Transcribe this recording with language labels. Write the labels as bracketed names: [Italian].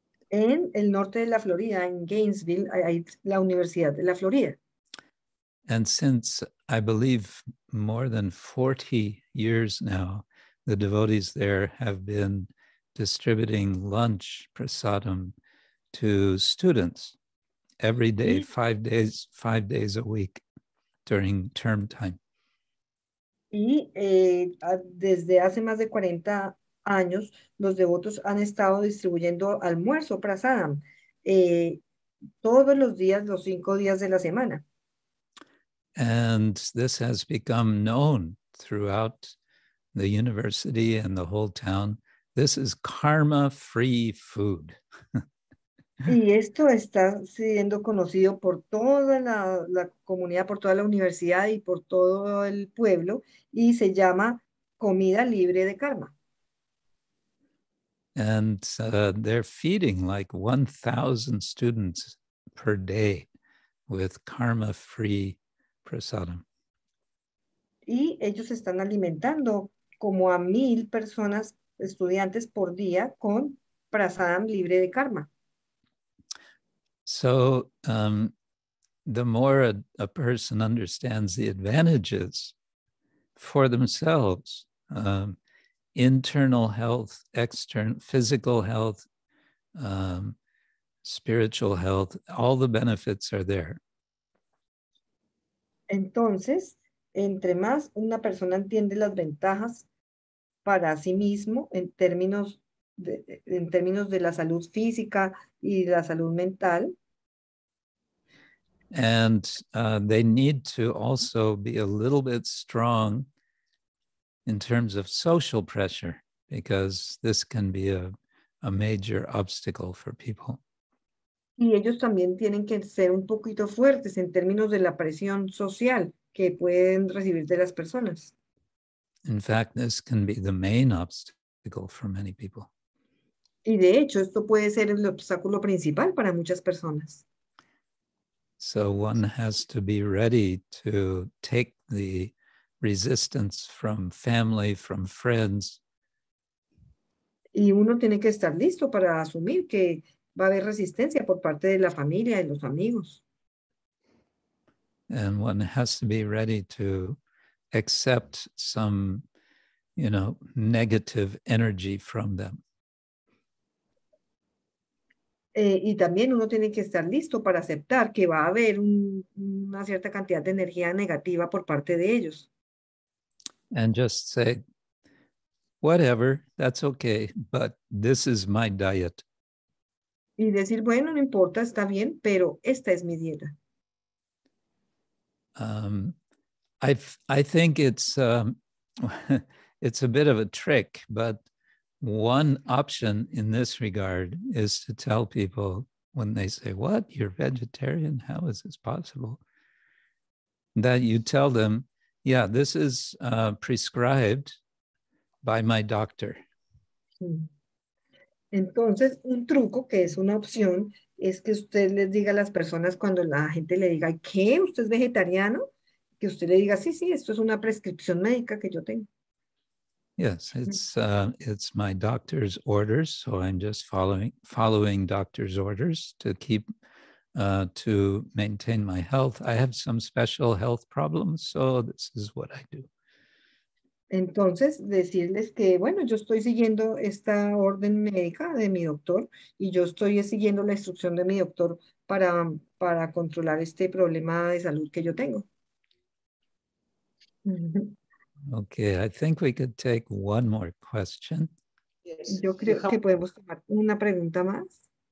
[Spanish] En el norte de la Florida, en Gainesville, hay la Universidad de la Florida. [English] And since, I believe, more than 40 years now, the devotees there have been distributing lunch, prasadam, to students every day, five days a week during term time. [Spanish] Y desde hace más de 40 años, los devotos han estado distribuyendo almuerzo, prasadam, todos los días, los cinco días de la semana. [English] And this has become known throughout the university and the whole town. This is karma-free food. [Spanish] Y esto está siendo conocido por toda la comunidad, por toda la universidad y por todo el pueblo, y se llama comida libre de karma. [English] And they're feeding like 1,000 students per day with karma-free prasadam. [Spanish] Y ellos están alimentando como a 1,000 personas, estudiantes por día, con prasadam libre de karma. [English] So the more a person understands the advantages for themselves, internal health, external physical health, spiritual health, all the benefits are there. [Spanish] Entonces, entre más una persona entiende las ventajas para sí mismo en términos de la salud física y la salud mental. [English] And they need to also be a little bit strong in terms of social pressure, because this can be a major obstacle for people. [Spanish] Y ellos también tienen que ser un poquito fuertes en términos de la presión social que pueden recibir de las personas. [English] In fact, this can be the main obstacle for many people. [Spanish] Y de hecho, esto puede ser el obstáculo principal para muchas personas. [English] So one has to be ready to take the resistance from family, from friends. [Spanish] Y uno tiene que estar listo para asumir que va a haber resistencia por parte de la familia y los amigos. [English] And one has to be ready to accept some, you know, negative energy from them. [Spanish] Y también uno tiene que estar listo para aceptar que va a haber una cierta cantidad de energía negativa por parte de ellos. [English] And just say, whatever, that's okay, but this is my diet. [Spanish] Y decir, bueno, no importa, está bien, pero esta es mi dieta. [English] I think it's a bit of a trick, but one option in this regard is to tell people when they say, what, you're vegetarian? How is this possible? That you tell them, yeah, this is prescribed by my doctor. [Spanish] Entonces, un truco que es una opción es que usted les diga a las personas cuando la gente le diga, ¿qué? ¿Usted es vegetariano? Que usted le diga, sí, sí, esto es una prescripción médica que yo tengo. [English] Yes, it's my doctor's orders, so I'm just following doctor's orders to keep to maintain my health. I have some special health problems, so this is what I do. [Spanish] Entonces, decirles que, bueno, yo estoy siguiendo esta orden médica de mi doctor y yo estoy siguiendo la instrucción de mi doctor para controlar este problema de salud que yo tengo. [English] Okay, I think we could take one more question. Yes. [Spanish] Yo creo que podemos tomar una pregunta más.